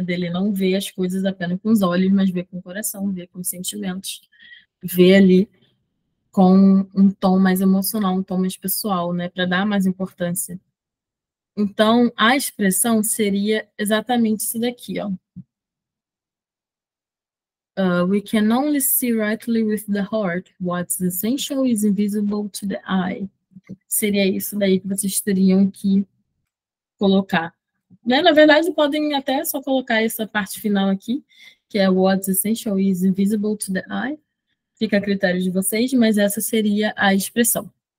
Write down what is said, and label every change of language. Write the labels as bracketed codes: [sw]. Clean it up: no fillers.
[pt] Dele não ver as coisas apenas com os olhos, mas ver com o coração, ver com os sentimentos, ver ali com um tom mais emocional, um tom mais pessoal, né? Para dar mais importância. Então, a expressão seria exatamente isso daqui, ó. [en] We can only see rightly with the heart. What's essential is invisible to the eye. [pt] Seria isso daí que vocês teriam que colocar, né? Na verdade, podem até só colocar essa parte final aqui, que é [en] What's essential is invisible to the eye. [pt] Fica a critério de vocês, mas essa seria a expressão.